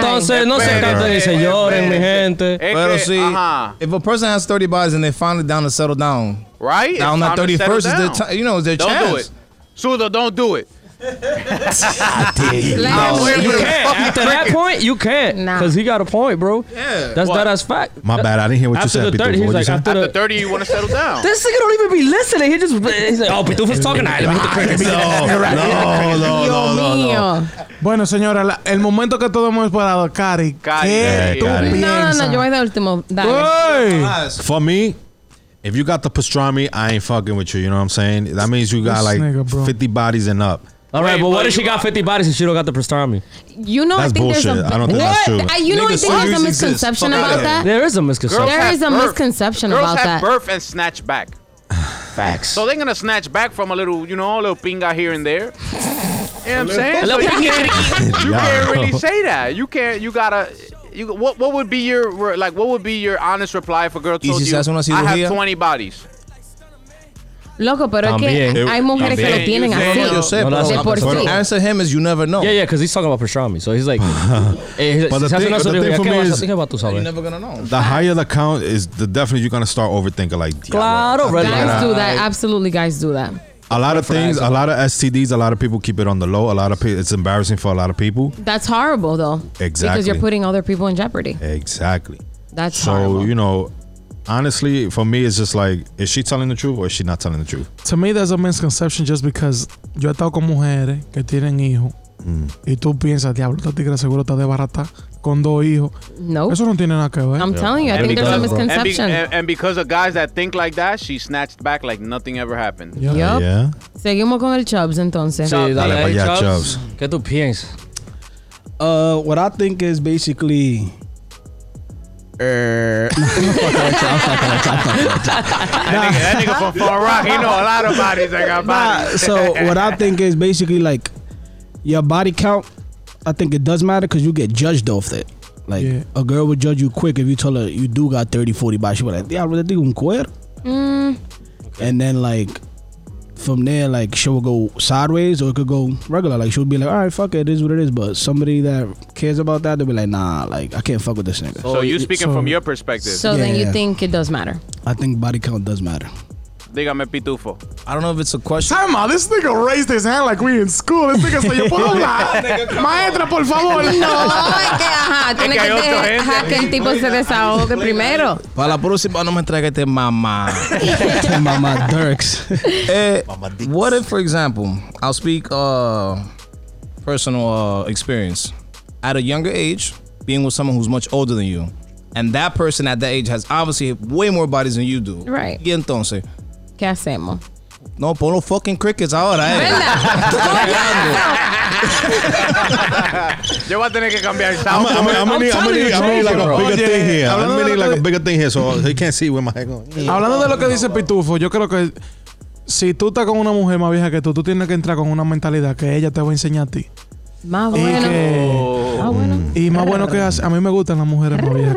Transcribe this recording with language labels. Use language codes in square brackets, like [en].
[es] Entonces no se trata de señores, mi gente. Pero si, [en] if a person has 30 bodies and they finally down to settle down, right? Now on that 31st is their chance. Don't do it, Sudo. Don't do it. You can't. At that point, you can't. Nah. Cause he got a point, bro. Yeah. That's what? That as fact. My bad. I didn't hear what after you said. 30, what like, you said? After the 30, you want to settle down. This nigga don't even be listening. He just he's like, oh, Pitufo's talking. Let me hit the crickets. No. [es] Bueno, señora, el momento que todos hemos esperado, Cari. No, yo voy de último. Dale. [en] For me. If you got the pastrami, I ain't fucking with you. You know what I'm saying? That means you got like 50 bodies and up. All right, but what if she got 50 bodies and she don't got the pastrami? You know, that's I think bullshit. There's a I don't think what? That's true. You know, I think there's a misconception about that. There is a misconception. There is a misconception about that. Girls have birth and snatch back. Facts. So they're going to snatch back from a little, you know, a little pinga here and there. You know what I'm saying? A little you can't really say that. You can't. You got to... You, what would be your like? What would be your honest reply if a girl told you, I have 20 bodies? [es] Loco, pero es que hay mujeres que lo tienen así. [en] No, no, the answer him is you never know. Yeah, because he's talking about pastrami. So he's like, but the thing for me is, you're never going to know. The higher the count is, the definitely you're going to start overthinking. Like, claro, right. Guys do that. Absolutely, guys do that. A lot of things, a lot of STDs, a lot of people keep it on the low. It's embarrassing for a lot of people. That's horrible, though. Exactly. Because you're putting other people in jeopardy. Exactly. That's so, horrible. So, you know, honestly, for me, it's just like, is she telling the truth or is she not telling the truth? To me, there's a misconception just because [es] yo he estado con mujeres que tienen hijos. Y tú piensas, diablo, esta tigre seguro está de barata con dos hijos. [en] No. Nope. [es] Eso no tiene nada que ver. [en] I'm telling you, I think because, there's a misconception. And because of guys that think like that, she snatched back like nothing ever happened. Yep. Yeah. [es] Seguimos con el Chubbs, entonces. Sí, dale para allá, Chubbs. ¿Qué tú piensas? [en] What I think is basically... that nigga from Far Rock, he know a lot of bodies that got bodies. So what I think is basically like, your body count, I think it does matter because you get judged off that. Like, a girl would judge you quick if you tell her you do got 30, 40 bodies. She'd be like, yeah, really [es] un cuero. [en] And then, like, from there, like, she would go sideways or it could go regular. Like, she would be like, all right, fuck it. It is what it is. But somebody that cares about that, they'll be like, nah, like, I can't fuck with this nigga. So you're speaking from your perspective. So then you think it does matter. I think body count does matter. [es] Dígame, Pitufo. [en] I don't know if it's a question. Time out. This nigga raised his hand like we in school. This nigga said, [es] yo puedo hablar. Maestra, por favor. No, tiene que dejar que el tipo se desahogue primero. Para la próxima, no me traiga este mamá. Mamá Dirks. [en] What if, for example, I'll speak personal experience. At a younger age, being with someone who's much older than you, and that person at that age has obviously way more bodies than you do. Right. [es] Y entonces... ¿Qué hacemos? No, pon los fucking crickets ahora, Yo voy a tener que cambiar el sound. [en] I'm gonna need like a bigger thing here, so he can't see where my head going. [es] Hablando de lo que dice Pitufo, yo creo que si tú estás con una mujer más vieja que tú, tú tienes que entrar con una mentalidad que ella te va a enseñar a ti. Más bueno. Y, que, y más bueno que a mí me gustan las mujeres más viejas.